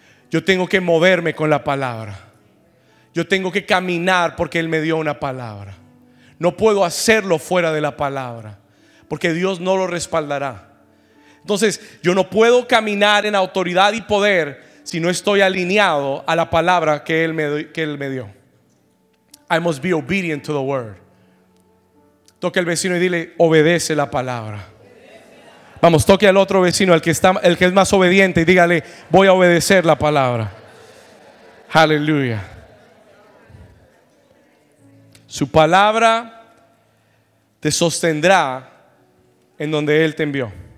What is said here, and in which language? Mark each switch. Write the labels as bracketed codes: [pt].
[es] Yo tengo que moverme con la palabra. Yo tengo que caminar porque Él me dio una palabra. No puedo hacerlo fuera de la palabra, porque Dios no lo respaldará. Entonces, yo no puedo caminar en autoridad y poder si no estoy alineado a la palabra que Él me dio. [en] I must be obedient to the word. [es] Toque al vecino y dile: obedece la palabra. Vamos, toque al otro vecino, el que es más obediente, y dígale: voy a obedecer la palabra. Aleluya. Su palabra te sostendrá en donde Él te envió.